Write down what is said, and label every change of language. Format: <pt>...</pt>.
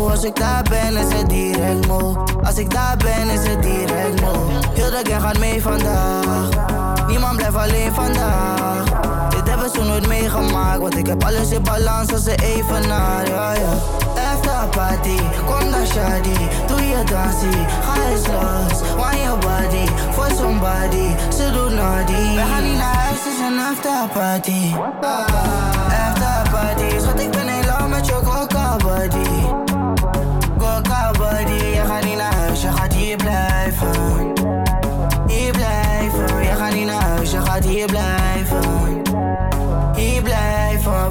<nl>Als ik daar ben, is het direct mo. Als ik daar ben, is het direct mo. Heel de gang gaat mee vandaag. Niemand blijft alleen vandaag. Dit hebben ze nooit meegemaakt. Want ik heb alles in balans als ze even naar. Ja, ja.</nl> <en>After party,</en> <nl>kom dan shawty. Doe je dansie, ga eens los.</nl> <en>Want your body, for somebody.</en> <nl>Ze doen naughty. We gaan niet naar huis, het is een after party. After party. Schat, ik ben</nl> <en>in love</en> <nl>met je coca body. Coca body. Je gaat niet naar huis, je gaat hier blijven. Hier blijven. Je gaat niet naar huis, je gaat hier blijven. Hier blijven.</nl>